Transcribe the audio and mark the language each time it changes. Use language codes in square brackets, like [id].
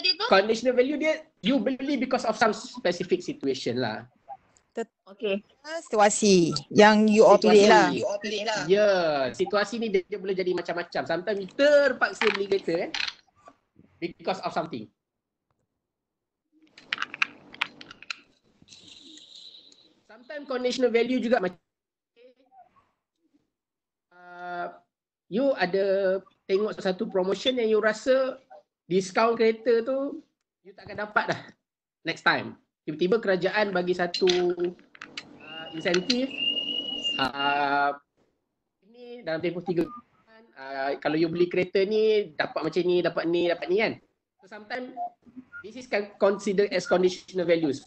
[en] Conditional value [ms] dia you beli [en] because of some specific situation lah. Okey. [ms] Situasi yang you operate lah. Ya, yeah. Situasi ni dia boleh jadi macam-macam. [en] Sometimes you [ms] terpaksa beli kereta eh? [en] Because of something. [ms] Sometimes conditional value juga macam you ada tengok satu promotion yang you rasa discount kereta tu you takkan dapat dah [en] next time. [ms] Tiba-tiba kerajaan bagi satu insentif ini dalam tempoh 3 bulan kalau you beli kereta ni dapat macam ni, dapat ni, dapat ni kan. [en] So sometimes this is considered as conditional values.